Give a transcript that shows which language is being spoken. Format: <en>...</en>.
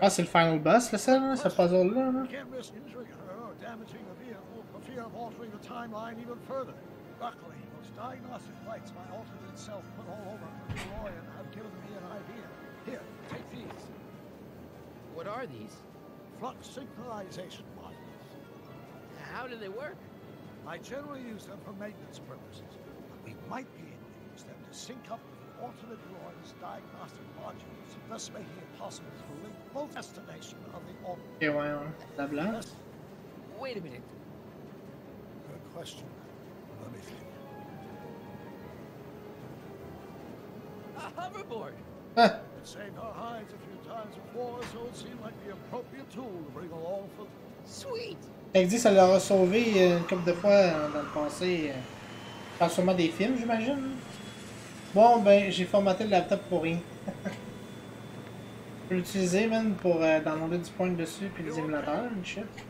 <fr>Ah, c'est le final bus, là, ça, ce puzzle-là.</fr> <en>We can't risk injuring her or damaging the vehicle for fear of altering the timeline even further. Luckily. Diagnostic lights my alternate self put all over the lawyer and have given me an idea. Here, take these. What are these? Flux synchronization modules. How do they work? I generally use them for maintenance purposes, but we might be able to use them to sync up with the alternate droid's diagnostic modules, thus making it possible to link both destinations of the orbit. Wait a minute. Good question. Let me think. A hoverboard! It saved our hides a few times before, so it seemed like the appropriate tool to bring along for... Sweet!</en> <fr>Fait que dit, ça leur a sauvé une couple de fois dans le passé. Pas sûrement des films, j'imagine. Bon, ben, j'ai formaté le laptop pour rien. Je peux l'utiliser, man, pour downloader du point dessus puis les émulateurs, une shit.</fr>